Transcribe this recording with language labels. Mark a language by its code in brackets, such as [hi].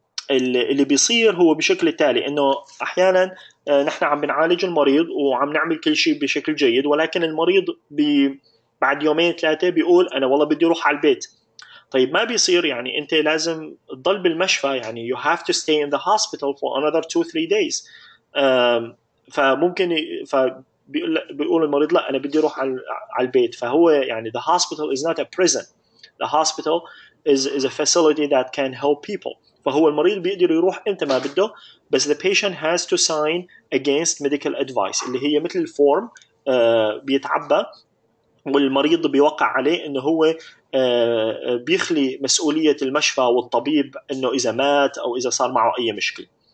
[ar] اللي بيصير هو بشكل التالي، انه احيانا نحن عم بنعالج المريض وعم نعمل كل شيء بشكل جيد، ولكن المريض بعد يومين ثلاثه بيقول انا والله بدي اروح على البيت. طيب ما بيصير، يعني انت لازم تضل بالمشفى، يعني [en] you have to stay in the hospital for another 2-3 days. [ar] فممكن بيقول المريض لا انا بدي اروح على البيت، فهو يعني [en] the hospital is not a prison. The hospital is a facility that can help people. [ar] فهو المريض بيقدر يروح انت ما بده، بس [en] the patient has to sign against medical advice [ar] اللي هي مثل الفورم بيتعبى والمريض بيوقع عليه انه هو بيخلي مسؤولية المشفى والطبيب انه اذا مات او اذا صار معه اي مشكلة.